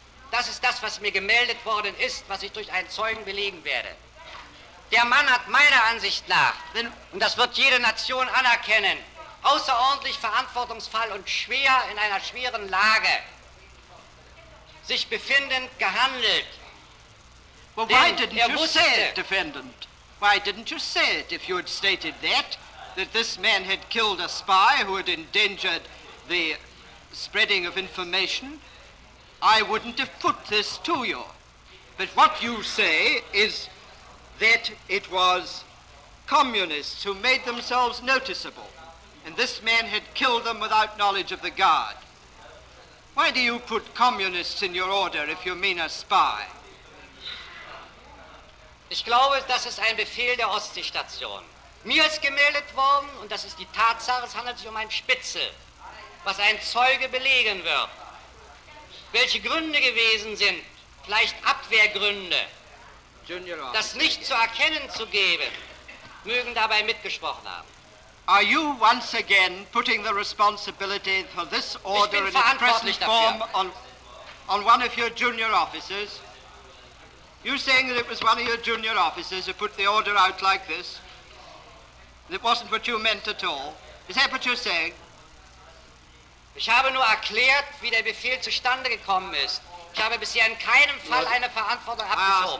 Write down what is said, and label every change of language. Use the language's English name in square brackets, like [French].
[German] Das ist das, was mir gemeldet worden ist, was ich durch einen Zeugen belegen werde. Der Mann hat meiner Ansicht nach, und das wird jede Nation anerkennen, außerordentlich verantwortungsvoll und schwer in einer schweren Lage sich befindend gehandelt. [English] Well, why didn't you say it, defendant? Why didn't you say it, if you had stated that, that this man had killed a spy who had endangered the spreading of information? I wouldn't have put this to you. But what you say is that it was communists who made themselves noticeable, and this man had killed them without knowledge of the guard. Why do you put communists in your order if you mean a spy? [German] Ich glaube, das ist ein Befehl der Ostseestation. Mir ist gemeldet worden, und das ist die Tatsache, es handelt sich um ein Spitzel, was ein Zeuge belegen wird. Welche Gründe gewesen sind, vielleicht Abwehrgründe, das nicht zu erkennen zu geben, mögen dabei mitgesprochen haben. [English] Are you once again putting the responsibility for this order in its present form on one of your junior officers? You're saying that it was one of your junior officers who put the order out like this? It wasn't what you meant at all. Is that what you're saying? [German] Ich habe nur erklärt, wie der Befehl zustande gekommen ist. Ich habe bisher in keinem Fall eine Verantwortung abgeschoben.